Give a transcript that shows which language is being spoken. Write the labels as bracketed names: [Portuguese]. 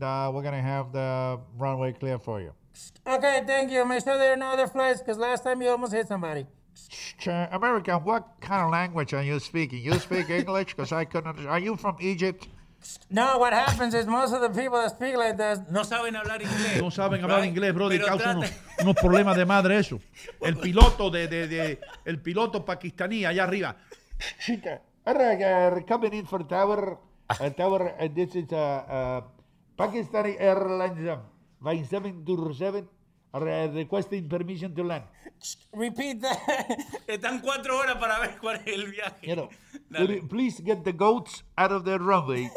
[English] We're going to have the runway clear for you. Okay, thank you. Make sure there are no other flights because last time you almost hit somebody. American, what kind of language are you speaking? You speak English because I couldn't understand. Are you from Egypt? No, what happens is most of the people that speak like this [Spanish] no saben hablar inglés. No saben hablar inglés, bro, y causa unos problemas de madre eso. El piloto el piloto pakistaní allá arriba. [English] Alright, coming in for tower. Tower, this is Pakistani Airlines 5727 requesting permission to land. Repeat that. [Spanish] Están 4 horas para ver cuál es el viaje. [English] You know, please get the goats out of the runway.